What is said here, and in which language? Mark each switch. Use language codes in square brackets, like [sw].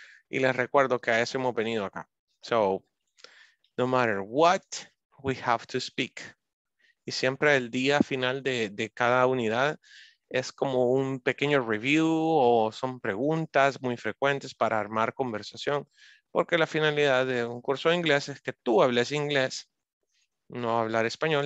[es] Y les recuerdo que a eso hemos venido acá. [en] So, no matter what, we have to speak. [es] Y siempre el día final de cada unidad es como un pequeño review o son preguntas muy frecuentes para armar conversación. Porque la finalidad de un curso de inglés es que tú hables inglés, no hablar español.